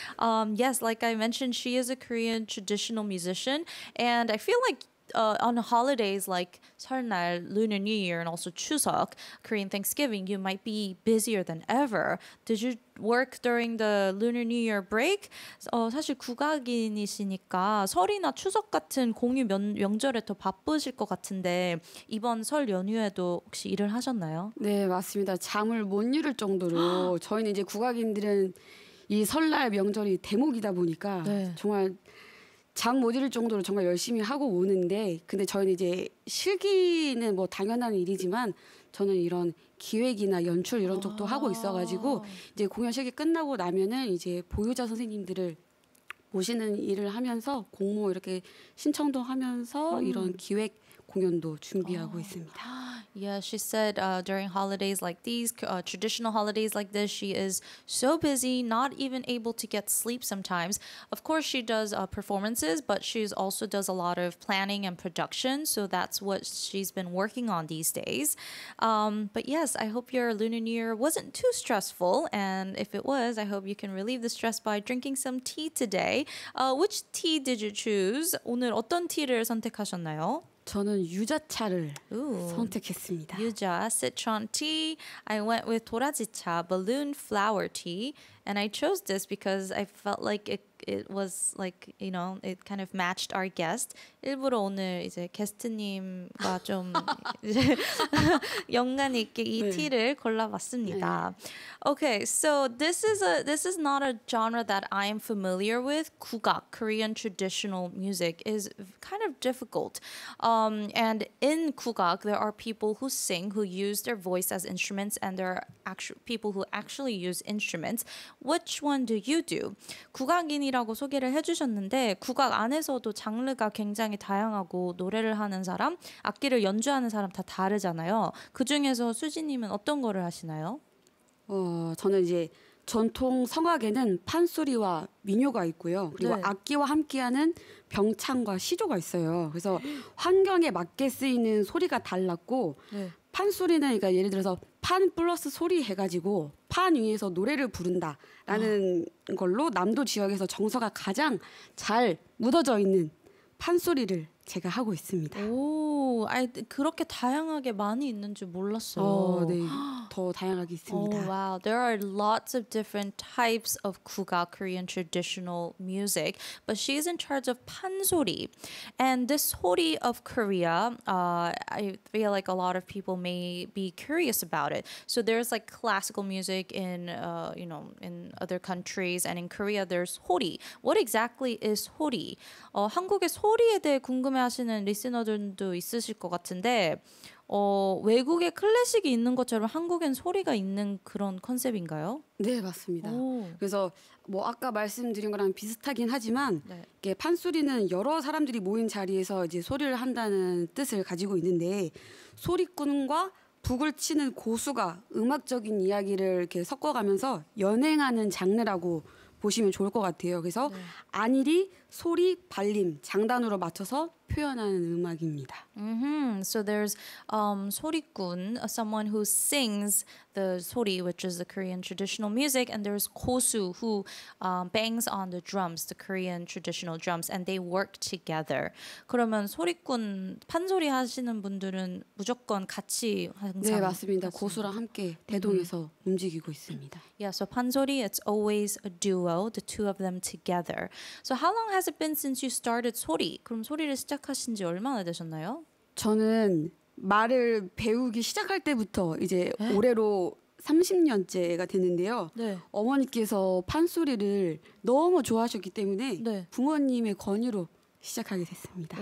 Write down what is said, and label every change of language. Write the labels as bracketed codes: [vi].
[en] Yes, like I mentioned, she is a Korean traditional musician, and I feel like on holidays like 설날, Lunar New Year, and also Chuseok, Korean Thanksgiving, you might be busier than ever. Did you work during the Lunar New Year break? [ko] 사실 국악인이시니까 설이나 추석 같은 공휴 명절에 더 바쁘실 것 같은데 이번 설 연휴에도 혹시 일을 하셨나요? 네, 맞습니다. 잠을 못 이룰 정도로 저희는 이제 국악인들은 이 설날 명절이 대목이다 보니까 네. 정말 잠 못 이룰 정도로 정말 열심히 하고 오는데 근데 저희는 이제 실기는 뭐 당연한 일이지만 저는 이런 기획이나 연출 이런 쪽도 하고 있어가지고 이제 공연 실기 끝나고 나면은 이제 보유자 선생님들을 모시는 일을 하면서 공모 이렇게 신청도 하면서 이런 기획 공연도 준비하고 있습니다. [en] Yeah, she said during holidays like these, traditional holidays like this, she is so busy, not even able to get sleep sometimes. Of course, she does performances, but she also does a lot of planning and production. So that's what she's been working on these days. But yes, I hope your Lunar New Year wasn't too stressful. And if it was, I hope you can relieve the stress by drinking some tea today. Which tea did you choose? [ko] 오늘 어떤 티를 선택하셨나요? 저는 유자차를 선택했습니다. [en] 유자, citron tea. I went with 도라지차, balloon flower tea. And I chose this because I felt like it was like, you know, it kind of matched our guest. [ko] 일부러 오늘 이제 게스트님과 좀 연관 있게 이 티를 골라봤습니다. 네. [en] Okay, so this is not a genre that I am familiar with. 국악, Korean traditional music, is kind of difficult. And in 국악, there are people who sing, who use their voice as instruments, and there are people who actually use instruments. Which one do you do? [ko] 국악인이라고 소개를 해주셨는데 국악 안에서도 장르가 굉장히 다양하고 노래를 하는 사람, 악기를 연주하는 사람 다 다르잖아요. 그 중에서 수지님은 어떤 거를 하시나요? 저는 이제 전통 성악에는 판소리와 민요가 있고요. 그리고 네. 악기와 함께하는 병창과 시조가 있어요. 그래서 환경에 맞게 쓰이는 소리가 달랐고 네. 판소리는 그러니까 예를 들어서 판 플러스 소리 해가지고 판 위에서 노래를 부른다라는 걸로 남도 지역에서 정서가 가장 잘 묻어져 있는 판소리를 제가 하고 있습니다. 오, 아니 그렇게 다양하게 많이 있는지 몰랐어요. 네. 더 다양하게 있습니다. [en] Oh, wow. There are lots of different types of 국악, Korean traditional music, but she's in charge of 판소리. And this 소리 of Korea, I feel like a lot of people may be curious about it. So there's like classical music in other countries, and in Korea there's 소리. What exactly is 소리? [ko] 한국의 소리에 대해 궁금해하시는 리스너들도 있으실 것 같은데 외국에 클래식이 있는 것처럼 한국엔 소리가 있는 그런 컨셉인가요? 네, 맞습니다. 그래서 뭐 아까 말씀드린 거랑 비슷하긴 하지만 네. 이게 판소리는 여러 사람들이 모인 자리에서 이제 소리를 한다는 뜻을 가지고 있는데 소리꾼과 북을 치는 고수가 음악적인 이야기를 이렇게 섞어가면서 연행하는 장르라고 보시면 좋을 것 같아요. 그래서 안일이 소리, 발림, 장단으로 맞춰서 표현하는 음악입니다. Mm-hmm. [en] So there's 소리꾼, someone who sings the 소리, which is the Korean traditional music, and there's 고수 who bangs on the drums, the Korean traditional drums, and they work together. [ko] 그러면 소리꾼, 판소리 하시는 분들은 무조건 같이 항상 네, 맞습니다. 고수랑 함께 대동해서 mm-hmm. 움직이고 있습니다. [en] Yeah, so 판소리, it's always a duo, the two of them together. So how long has it been since you started 소리? [ko] 그럼 소리를 시작하신 지 얼마나 되셨나요? 저는 말을 배우기 시작할 때부터 이제 에? 올해로 30년째가 됐는데요. 네. 어머니께서 판소리를 너무 좋아하셨기 때문에 네. 부모님의 권유로 시작하게 됐습니다.